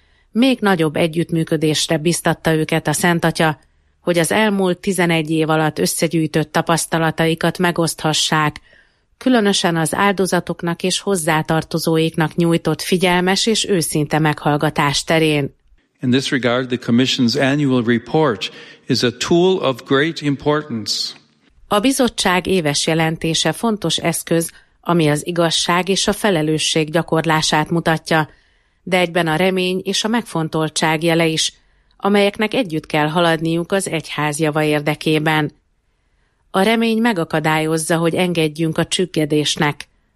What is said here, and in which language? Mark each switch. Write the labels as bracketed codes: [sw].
[hu] Még nagyobb együttműködésre biztatta őket a Szentatya, hogy az elmúlt 11 év alatt összegyűjtött tapasztalataikat megoszthassák, különösen az áldozatoknak és hozzátartozóiknak nyújtott figyelmes és őszinte meghallgatás terén. [en] In this regard, the Commission's annual report is a tool of great importance. [hu] A bizottság éves jelentése fontos eszköz, ami az igazság és a felelősség gyakorlását mutatja, de egyben a remény és a megfontoltság jele is, amelyeknek együtt kell haladniuk az egyház java érdekében. A remény megakadályozza, hogy engedjünk a csüggedésnek.